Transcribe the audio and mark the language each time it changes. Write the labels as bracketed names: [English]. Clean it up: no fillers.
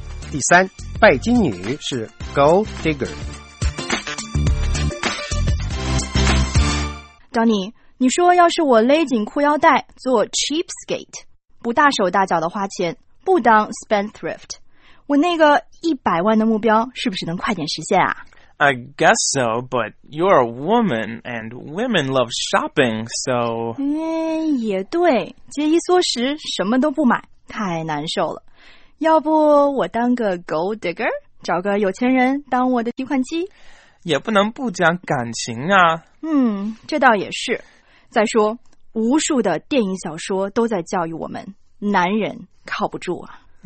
[Chinese] 第三，拜金女是 gold digger. Donny, 你说要是我勒紧裤腰带做 cheapskate, 不大手大脚的花钱，不当 spendthrift. 我那个一百万的目标是不是能快点实现啊 [English] ？I guess so, but you're a woman, and women love shopping, so. [Chinese] 也对，节衣缩食，什么都不买，太难受了。要不我当个 gold digger， 找个有钱人当我的提款机？也不能不讲感情啊。这倒也是。再说，无数的电影小说都在教育我们，男人靠不住啊。